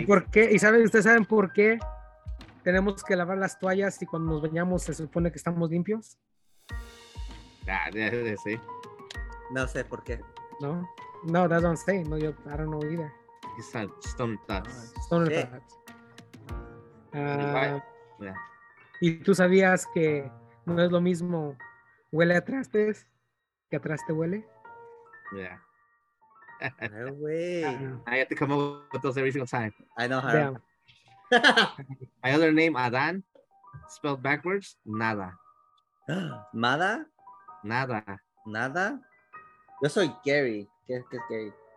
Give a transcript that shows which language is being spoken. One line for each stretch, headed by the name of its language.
Spanish: ¿Y por qué? ¿Y saben ustedes saben por qué tenemos que lavar las toallas y cuando nos bañamos se supone que estamos limpios? Sí. No sé por qué. No.
English: No, that's what I'm saying.
Spanish: No, yo,
English: I don't know either. It's a stone thoughts.
Spanish: Yeah. ¿Y tú sabías que no es lo mismo huele a trastes que a traste huele?
English: Yeah. No way. I have to come up with those every single time. I know how. Yeah. My other name, Adán, spelled backwards, nada.
Spanish: ¿Mada? Nada. ¿Nada? Yo soy Gary. ¿Qué es Gary?